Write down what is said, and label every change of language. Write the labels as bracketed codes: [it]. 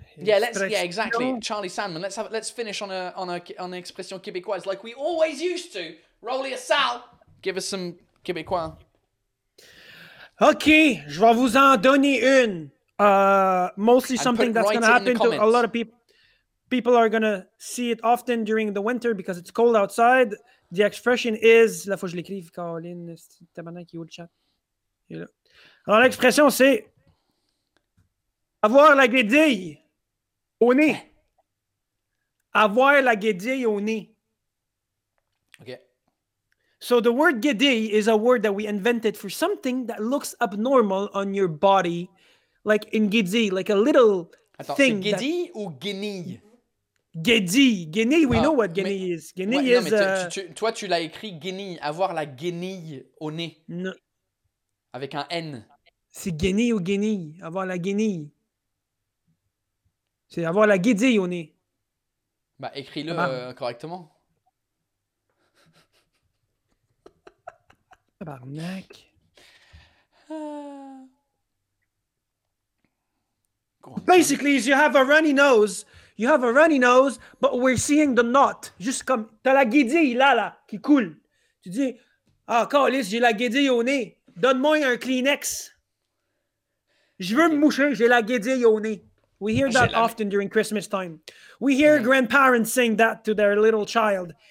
[en] Yeah, exactly. Charlie Sandman. Let's finish on a expression québécoise like we always used to. Rolly a sal. Give us some Québécois. [fr] OK, je vais vous en donner une. [en] Mostly something that's going to happen to a lot of people. People are going to see it often during the winter because it's cold outside. The expression is... [fr] La fois je l'écris, Caroline, c'est ta manière qui ouvre le chat. Alors, l'expression, c'est... Avoir la guédille au nez. Avoir la guédille au nez. [en] So the word guédille is a word that we invented for something that looks abnormal on your body, like in guédille, like a little thing. [fr] C'est guédille ou guenille? [en] Guédille. Guenille, we know what guenille is. Guenille is... [fr] Toi, tu l'as écrit guenille, avoir la guenille au nez. Non. Avec un N. C'est guenille ou guenille, avoir la guenille. C'est avoir la guédille au nez. Bah, écris-le correctement. Tabarnak. [en] Basically, you have a runny nose. You have a runny nose, but we're seeing the knot. [fr] Juste comme, t'as la guédille là, qui coule. Tu dis, ah, calice, j'ai la guédille au nez. Donne-moi un Kleenex. Je veux me moucher, j'ai la guédille au nez. [en] We hear that often during Christmas time. We hear grandparents saying that to their little child.